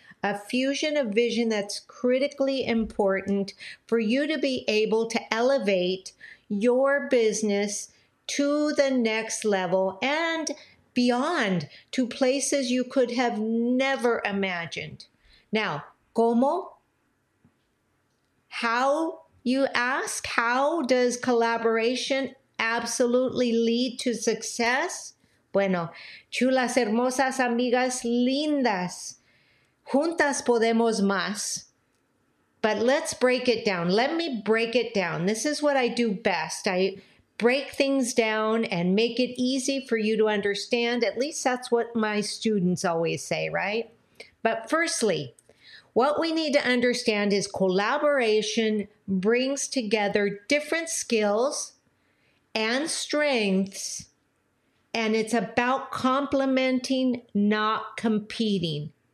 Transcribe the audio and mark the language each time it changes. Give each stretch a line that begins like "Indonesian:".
English: A fusion of vision that's critically important for you to be able to elevate your business to the next level and beyond, to places you could have never imagined. Now, ¿cómo? How, you ask, how does collaboration absolutely lead to success?
Spanish: Bueno, chulas hermosas amigas lindas, juntas podemos más.
English: But let's break it down. Let me break it down. This is what I do best. I break things down and make it easy for you to understand. At least that's what my students always say, right? But firstly, what we need to understand is collaboration brings together different skills and strengths, and it's about complementing, not competing.